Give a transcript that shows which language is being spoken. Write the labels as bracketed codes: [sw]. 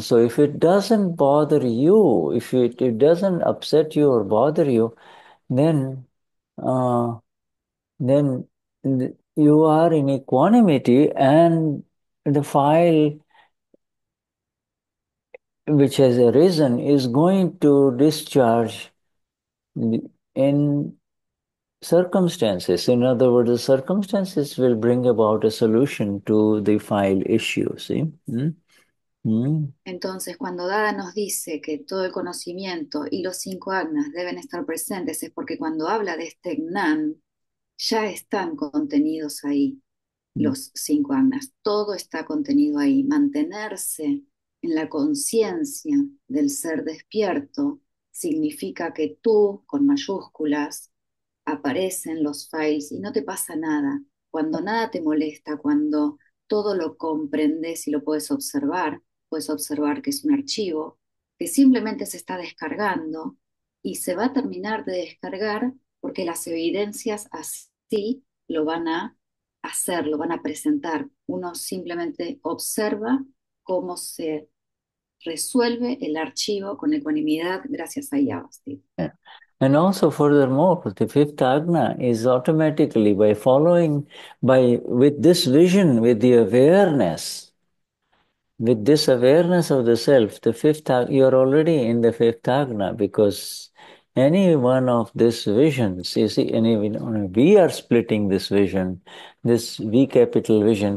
[en] So if it doesn't bother you, if it doesn't upset you or bother you, then you are in equanimity, and the file which has arisen is going to discharge in circumstances. In other words, the circumstances will bring about a solution to the file issue. See? [es] Entonces, cuando Dada nos dice que todo el conocimiento y los cinco agnas deben estar presentes, es porque cuando habla de este Gnan, ya están contenidos ahí los cinco agnas. Todo está contenido ahí. Mantenerse en la conciencia del ser despierto significa que tú, con mayúsculas, aparecen los files y no te pasa nada. Cuando nada te molesta, cuando todo lo comprendes y lo puedes observar, puedes observar que es un archivo que simplemente se está descargando y se va a terminar de descargar porque las evidencias así lo van a hacer, lo van a presentar. Uno simplemente observa cómo se resuelve el archivo con ecuanimidad gracias a Yavastit. [en] And also, furthermore, the fifth agna is automatically by following, by with this vision, with this awareness of the self, the fifth, you are already in the fifth agna because any one of these visions, you see, any, we are splitting this vision, this V capital vision.